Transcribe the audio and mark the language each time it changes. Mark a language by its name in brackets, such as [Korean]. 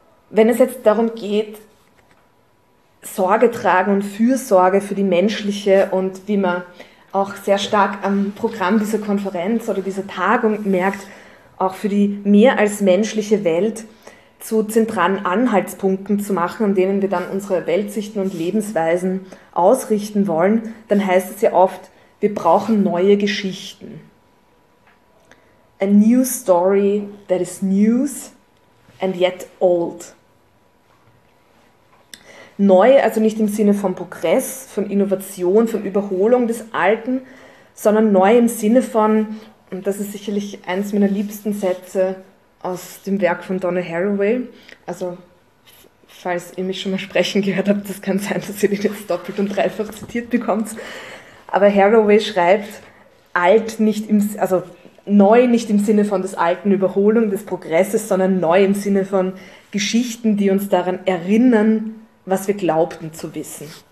[German] Wenn es jetzt darum geht, Sorge tragen und Fürsorge für die menschliche und wie man auch sehr stark am Programm dieser Konferenz oder dieser Tagung merkt, auch für die mehr als menschliche Welt zu zentralen Anhaltspunkten zu machen, an denen wir dann unsere Weltsichten und Lebensweisen ausrichten wollen, dann heißt es ja oft, wir brauchen neue Geschichten. [English] A new story that is news and yet old. [German] Neu, also nicht im Sinne von Progress, von Innovation, von Überholung des Alten, sondern neu im Sinne von, und das ist sicherlich eins meiner liebsten Sätze aus dem Werk von Donna Haraway, also falls ihr mich schon mal sprechen gehört habt, das kann sein, dass ihr den jetzt doppelt und dreifach zitiert bekommt, aber Haraway schreibt, alt nicht im, also neu nicht im Sinne von des Alten, Überholung des Progresses, sondern neu im Sinne von Geschichten, die uns daran erinnern, was wir glaubten zu wissen.